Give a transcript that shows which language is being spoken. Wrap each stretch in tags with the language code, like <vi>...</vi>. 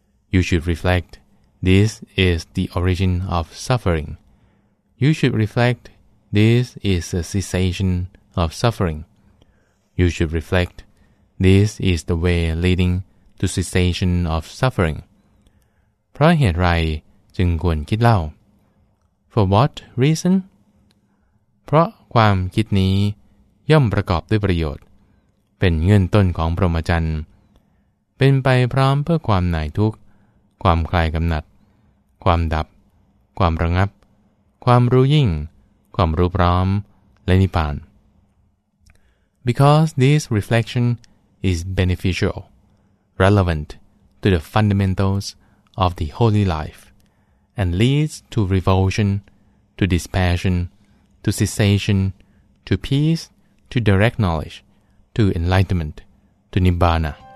<en>You should reflect, this is the origin of suffering. You should reflect, this is the cessation of suffering. You should reflect, this is the way leading to cessation of suffering.</en> <th>เพราะเหตุไรจึงควรคิดเล่า</th> <en>For what reason?</en> <th>เพราะความคิดนี้ย่อมประกอบด้วยประโยชน์เป็นเงื่อนต้นของพรหมจรรย์เป็นไปพร้อมเพื่อความหน่ายทุกข์ความคลายกำหนัดความดับความระงับความรู้ยิ่งความรู้พร้อมและนิพพาน</th> <en>Because this reflection is beneficial, relevant to the fundamentals of the holy life, and leads to revulsion, to dispassion, to cessation, to peace, to direct knowledge, to enlightenment, to nibbana.</en>